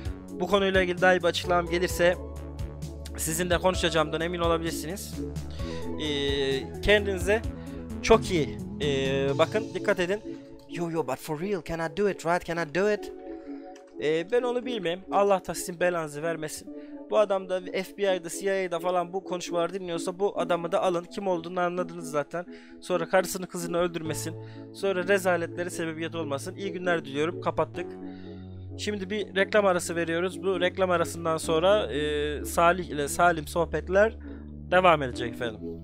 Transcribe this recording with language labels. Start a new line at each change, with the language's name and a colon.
Turkish: Bu konuyla ilgili daha bir açıklamam gelirse sizinle konuşacağımdan emin olabilirsiniz. Kendinize çok iyi bakın, dikkat edin.
English: Yo, but for real, can I do it, right? Can I do it?
Turkish: Ben onu bilmem. Allah da sizin belanızı vermesin. Bu adam da FBI'da, CIA'da falan bu konuşmaları dinliyorsa bu adamı da alın. Kim olduğunu anladınız zaten. Sonra karısını kızını öldürmesin. Sonra rezaletlere sebebiyet olmasın. İyi günler diliyorum. Kapattık. Şimdi bir reklam arası veriyoruz. Bu reklam arasından sonra Salih ile Salim sohbetler Devam edecek efendim.